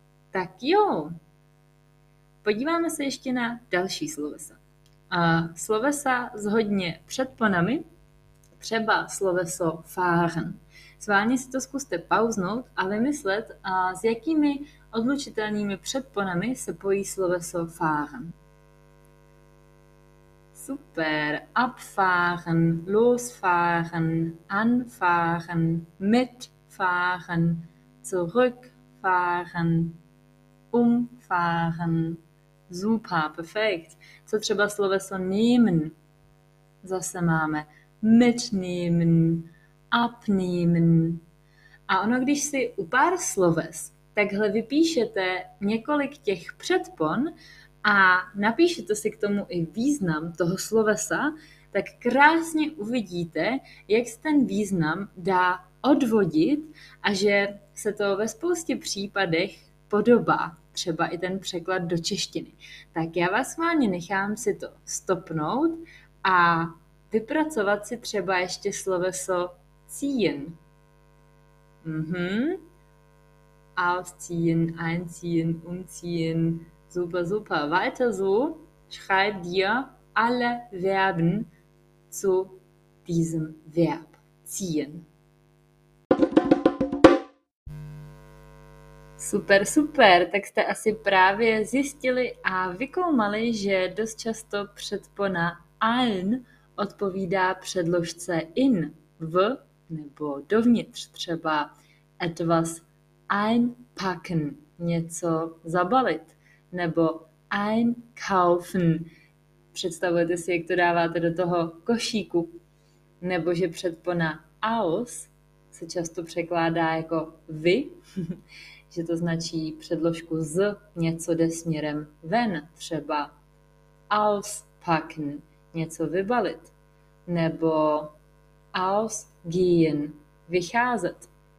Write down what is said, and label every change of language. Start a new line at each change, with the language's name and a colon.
Czech: Tak jo, podíváme se ještě na další slovesa. Slovesa s hodně předponami, třeba sloveso fahren. Zvláně si to zkuste pauznout a vymyslet, s jakými odlučitelnými předponami se pojí sloveso fahren.
German: Super, abfahren, losfahren, anfahren, mitfahren, zurückfahren, umfahren.
Czech: Super, perfekt. Co třeba sloveso nehmen? Zase máme mitnehmen, abnehmen. A ono, když si u pár sloves takhle vypíšete několik těch předpon a napíšete si k tomu i význam toho slovesa, tak krásně uvidíte, jak se ten význam dá odvodit a že se to ve spoustě případech podobá třeba i ten překlad do češtiny. Tak já vás vlastně nechám si to stopnout a vypracovat si třeba ještě sloveso ziehen.
German: Ausziehen, einziehen, umziehen. Super, super. Weiter so. Schreib dir alle Verben zu diesem Verb. Ziehen. Super, super.
Czech: Tak jste asi právě zjistili a vykoumali, že dost často předpona ein odpovídá předložce in, v nebo dovnitř. Třeba etwas einpacken, něco zabalit, nebo einkaufen. Představujete si, jak to dáváte do toho košíku. Nebo že předpona aus se často překládá jako vy, že to značí předložku z, něco jde směrem ven, třeba auspacken, něco vybalit, nebo ausgehen, vycházet.